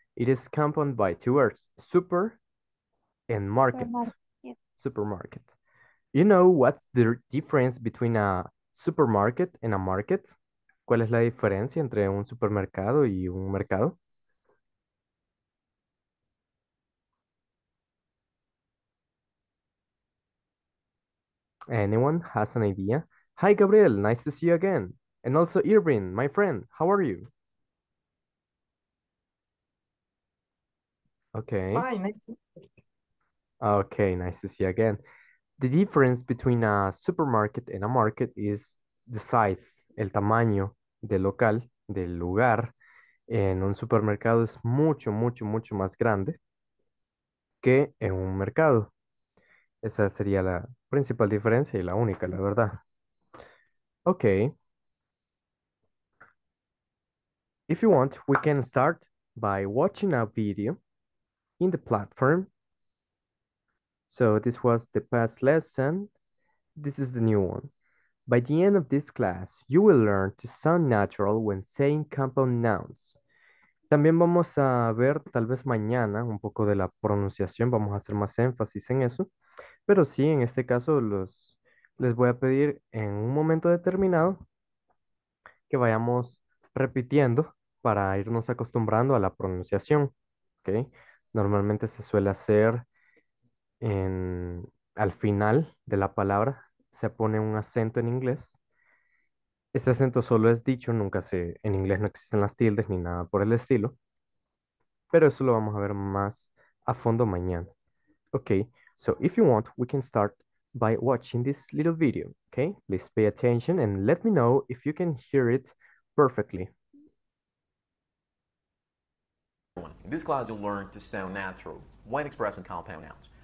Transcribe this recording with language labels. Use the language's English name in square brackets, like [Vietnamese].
[English] It is compounded by two words, super and market. Supermarket. You know what's the difference between a supermarket and a market? [Spanish] ¿Cuál es la diferencia entre un supermercado y un mercado? [English] Anyone has an idea? Hi, Gabriel. Nice to see you again. And also, Irvin, my friend. How are you? Okay. Hi, nice to see you. Okay, nice to see you again. The difference between a supermarket and a market is the size, [Spanish] el tamaño del local, del lugar. En un supermercado es mucho, mucho, mucho más grande que en un mercado. Esa sería la principal diferencia y la única, la verdad. Ok. [English] If you want, we can start by watching a video in the platform. So this was the past lesson. This is the new one. By the end of this class, you will learn to sound natural when saying compound nouns. [Spanish] También vamos a ver, tal vez mañana, un poco de la pronunciación. Vamos a hacer más énfasis en eso. Pero sí, en este caso, les voy a pedir en un momento determinado que vayamos repitiendo para irnos acostumbrando a la pronunciación, ¿okay? Normalmente se suele hacer al final de la palabra, se pone un acento en inglés. Este acento solo es dicho, nunca se, en inglés no existen las tildes ni nada por el estilo. Pero eso lo vamos a ver más a fondo mañana. [English] Okay, so if you want, we can start by watching this little video. Okay, please pay attention and let me know if you can hear it perfectly. In this class, you'll learn to sound natural when expressing compound nouns.